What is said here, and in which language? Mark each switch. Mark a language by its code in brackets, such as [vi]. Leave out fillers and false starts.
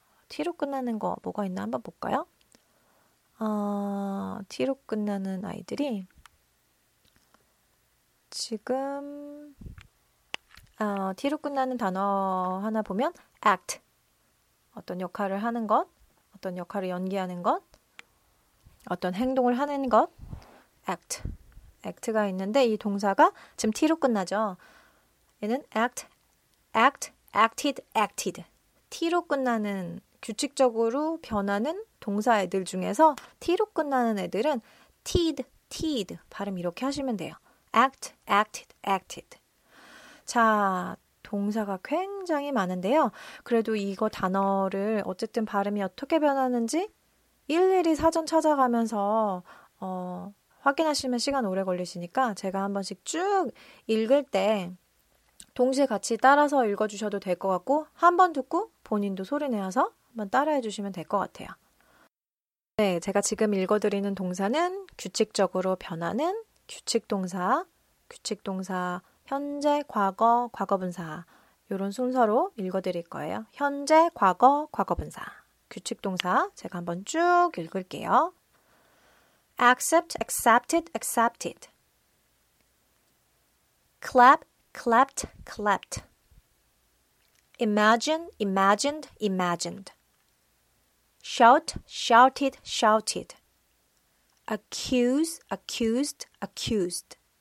[ko] T로 끝나는 거 뭐가 있나 한번 볼까요? T로 끝나는 아이들이 지금 T로 끝나는 단어 하나 보면 act, 어떤 역할을 하는 것, 어떤 역할을 연기하는 것, 어떤 행동을 하는 것, act, act가 있는데 이 동사가 지금 T로 끝나죠. [en] 얘는 act, act, acted, acted. [ko] T로 끝나는 규칙적으로 변하는 동사 애들 중에서 T로 끝나는 애들은 teed, teed 발음 이렇게 하시면 돼요. [en] act, acted, acted. [ko] 자, 동사가 굉장히 많은데요. 그래도 이거 단어를 어쨌든 발음이 어떻게 변하는지 일일이 사전 찾아가면서 확인하시면 시간 오래 걸리시니까 제가 한 번씩 쭉 읽을 때 동시에 같이 따라서 읽어주셔도 될 것 같고 한 번 듣고 본인도 소리 내어서 한번 따라해 주시면 될 것 같아요. 네, 제가 지금 읽어드리는 동사는 규칙적으로 변하는 규칙동사, 규칙동사 현재, 과거, 과거분사 이런 순서로 읽어드릴 거예요. 현재, 과거, 과거분사 규칙동사 제가 한번 쭉 읽을게요. [en] Accept, accepted, accepted. Clap, clapped, clapped. Imagine, imagined, imagined. Shout, shouted, shouted. Accuse, accused, accused.